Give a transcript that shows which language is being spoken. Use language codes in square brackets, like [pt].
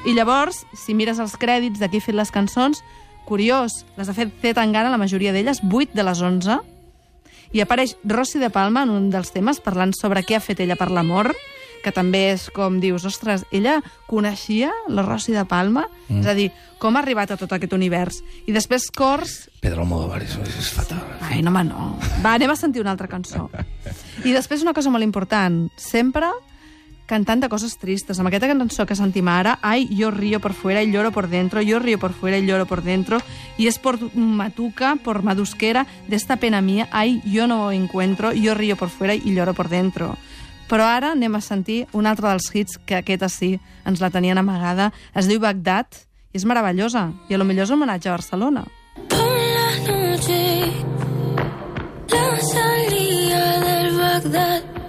[ca] I llavors, si mires els crèdits de qui ha fet les cançons, curiós, les ha fet Cetangana, la majoria d'elles, 8 de les 11, i apareix Rossi de Palma en un dels temes, parlant sobre què ha fet ella per l'amor, que també és com dius, ostres, ella coneixia la Rossi de Palma? És a dir, com ha arribat a tot aquest univers? I després cors... Pedro Almodóvar, això és fatal. Ai, no, home, no. Va, anem a sentir una altra cançó. I després una cosa molt important. Sempre cantant de coses tristes. Amb aquesta cançó que sentim ara, [es] ai, yo río por fuera y lloro por dentro, yo río por fuera y lloro por dentro, y es por matuca, por madusquera, de esta pena mía, ai, yo no encuentro, yo río por fuera y lloro por dentro. [ca] Però ara anem a sentir un altre dels hits que aquesta sí, ens la tenien amagada. Es diu Bagdad i és meravellosa. I a lo millor és un homenatge a Barcelona. [es] Por la noche la salida del Bagdad.